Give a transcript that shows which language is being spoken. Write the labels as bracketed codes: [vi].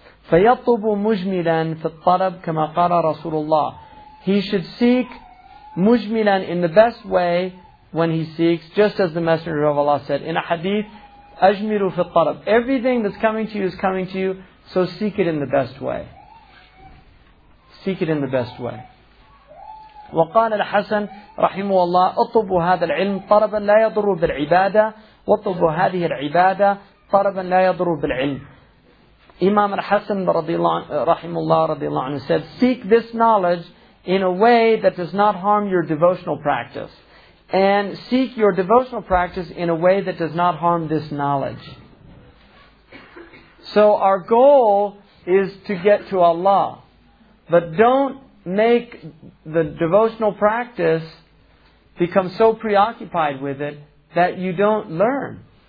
[ar] فَيَطُّبُ مُجْمِلًا فِي الطَّلَبْ كَمَا قَالَ رَسُولُ اللَّهِ. [en] He should seek [ar] مُجْمِلًا [en] in the best way when he seeks, just as the Messenger of Allah said in a hadith, [ar] أَجْمِلُ فِي الطَّلَبْ. [en] Everything that's coming to you is coming to you, so seek it in the best way. Seek it in the best way. [ar] وقال الحسن رحمه الله اطلبوا هذا العلم طلبا لا يضر بالعبادة واطلبوا هذه العبادة طلبا لا يضر بالعلم. [en] Imam al-Hasan [ar] رضي الله عنه [en] said, seek this knowledge in a way that does not harm your devotional practice, and seek your devotional practice in a way that does not harm this knowledge. So our goal is to get to Allah, but don't make the devotional practice become so preoccupied with it that you don't learn.